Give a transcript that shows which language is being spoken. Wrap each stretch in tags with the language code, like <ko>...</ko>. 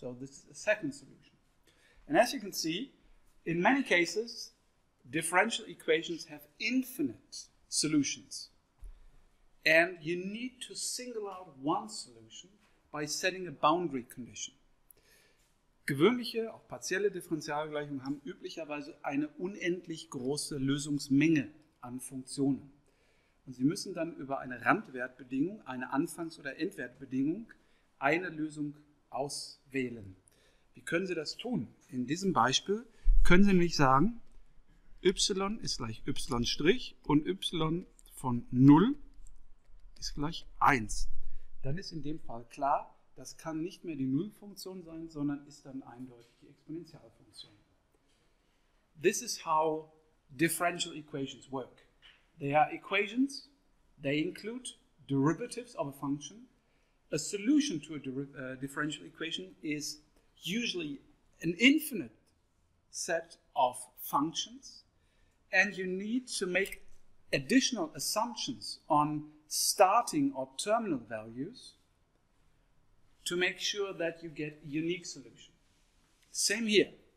<en>So this is a second solution. And as you can see, in many cases, differential equations have infinite solutions. And you need to single out one solution by setting a boundary condition.</en> <de>Gewöhnliche, auch partielle Differentialgleichungen haben üblicherweise eine unendlich große Lösungsmenge an Funktionen. Und Sie müssen dann über eine Randwertbedingung, eine Anfangs- oder Endwertbedingung, eine Lösung auswählen. Wie können Sie das tun? In diesem Beispiel können Sie nämlich sagen, y ist gleich y' und y von 0 ist gleich 1. Dann ist in dem Fall klar, das kann nicht mehr die Nullfunktion sein, sondern ist dann eindeutig die Exponentialfunktion.</de> <en>This is how differential equations work. They are equations, they include derivatives of a function, a solution to a differential equation is usually an infinite set of functions, and you need to make additional assumptions on starting or terminal values to make sure that you get a unique solution. Same here.</en>